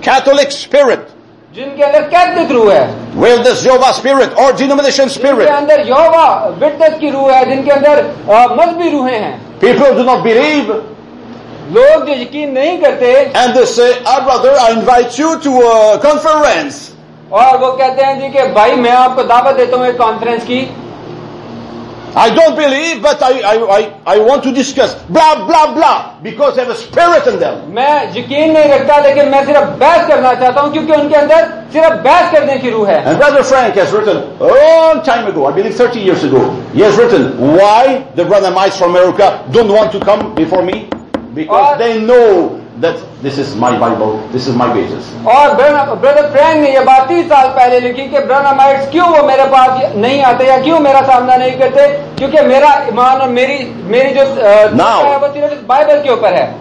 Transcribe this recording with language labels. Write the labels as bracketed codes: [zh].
[en] Catholic spirit [hi] जिनके अंदर Catholic रूह है [en] Where this Jehovah spirit or denomination spirit. [hi] जिनके अंदर यहोवा विटनेस की रूह है जिनके अंदर मजहबी रूहे हैं [en] People do not believe. [hi] लोग जो यकीन नहीं करते [en] And they say, our brother, I invite you to a conference. [hi] और वो कहते हैं जी कि भाई मैं आपको दावत देता हूँ एक कॉन्फ्रेंस की [en] I don't believe, but I want to discuss. Blah blah blah, because they have a spirit in them. [hi] मैं यकीन नहीं रखता, लेकिन मैं सिर्फ बहस करना चाहता हूँ, क्योंकि उनके अंदर सिर्फ बहस करने की रूह है. [en] And Brother Frank has written a long time ago, I believe 30 years ago. He has written why the Branhamites from America don't want to come before me. Because they know that this is my Bible, this is my basis. [hi] और brother Frank ने ये बात 30 साल पहले लिखी कि ब्रह्मामाइट्स क्यों वो मेरे पास नहीं आते या क्यों मेरा सामना नहीं करते क्योंकि मेरा ईमान और मेरी जो बाइबल के ऊपर है